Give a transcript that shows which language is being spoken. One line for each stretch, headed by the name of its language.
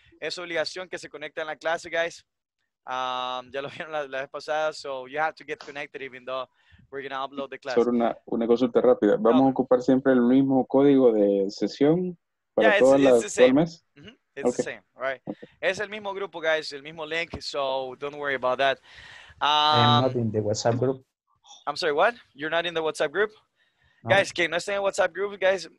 Spanish: Es obligación que se conecten a la clase, guys. Ya lo vieron la vez pasada,
English: so you have to get connected even though we're going to upload the class.
Spanish: Solo una consulta rápida. ¿Vamos a ocupar siempre el mismo código de sesión para todas las formas?
English: It's the same, right? Okay.
Spanish: Es el mismo grupo, guys, el mismo link,
English: so don't worry about that. I'm not in the WhatsApp group. I'm sorry, what? You're not in the WhatsApp group? No. Guys,
Spanish: que no estén en
English: WhatsApp group, guys.